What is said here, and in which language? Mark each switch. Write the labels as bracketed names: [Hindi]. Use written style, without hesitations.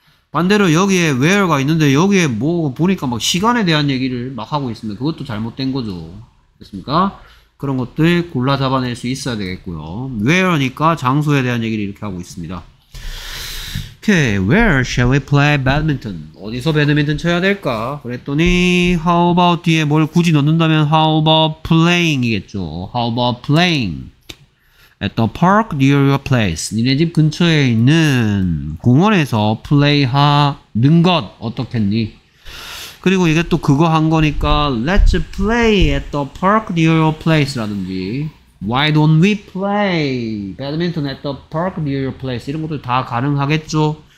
[Korean] 반대로 여기에 where가 있는데 여기에 뭐 보니까 막 시간에 대한 얘기를 막 하고 있으면 그것도 잘못된 거죠. 됐습니까? 그런 것들 골라 잡아낼 수 있어야 되겠고요. Where니까 장소에 대한 얘기를 이렇게 하고 있습니다. [English] Okay, where shall we play badminton? [Korean] 어디서 배드민턴 쳐야 될까? 그랬더니 how about 뒤에 뭘 굳이 넣는다면 [English] how about playing [Korean] 이겠죠. [English] How about playing at the park near your place? [Korean] 니네 집 근처에 있는 공원에서 play하는 것 어떻겠니? 그리고 이게 또 그거 한 거니까 [English] Let's play at the park near your place라든지 Why don't we play badminton at the park near your place [Korean] 이런 것들 다 가능하겠죠.